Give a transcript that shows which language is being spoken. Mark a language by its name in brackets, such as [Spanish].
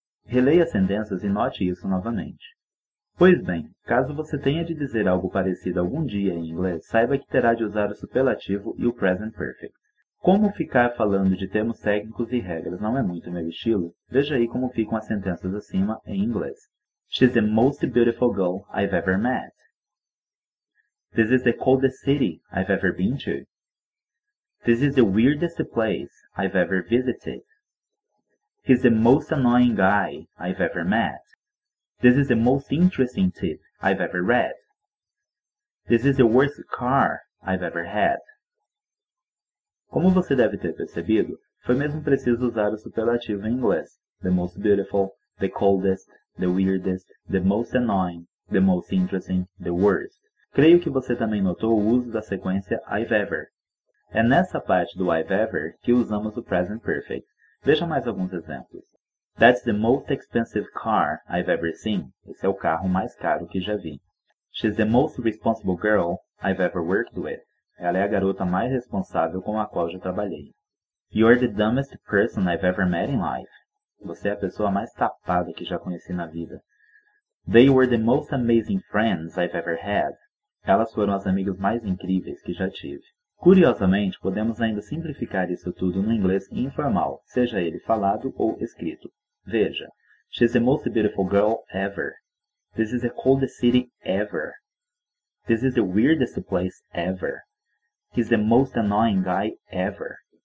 [Portuguese] Releia as sentenças e note isso novamente. Pois bem, caso você tenha de dizer algo parecido algum dia em inglês, saiba que terá de usar o superlativo e o present perfect. Como ficar falando de termos técnicos e regras não é muito meu estilo, veja aí como ficam as sentenças acima em inglês. [English] She's the most beautiful girl I've ever met. This is the coldest city I've ever been to. This is the weirdest place I've ever visited. He's the most annoying guy I've ever met. This is the most interesting tip I've ever read. This is the worst car I've ever had. [Portuguese] Como você deve ter percebido, foi mesmo preciso usar o superlativo em inglês. [English] The most beautiful, the coldest, the weirdest, the most annoying, the most interesting, the worst. [Portuguese] Creio que você também notou o uso da sequência [English] I've ever. [Portuguese] É nessa parte do [English] I've ever [Portuguese] que usamos o present perfect. Veja mais alguns exemplos. [English] That's the most expensive car I've ever seen. [Portuguese] Esse é o carro mais caro que já vi. [English] She's the most responsible girl I've ever worked with. [Portuguese] Ela é a garota mais responsável com a qual já trabalhei. [English] You're the dumbest person I've ever met in life. [Portuguese] Você é a pessoa mais tapada que já conheci na vida. [English] They were the most amazing friends I've ever had. [Portuguese] Elas foram as amigas mais incríveis que já tive. Curiosamente, podemos ainda simplificar isso tudo no inglês informal, seja ele falado ou escrito. [English] Veja, she's the most beautiful girl ever. This is the coldest city ever. This is the weirdest place ever. He's the most annoying guy ever.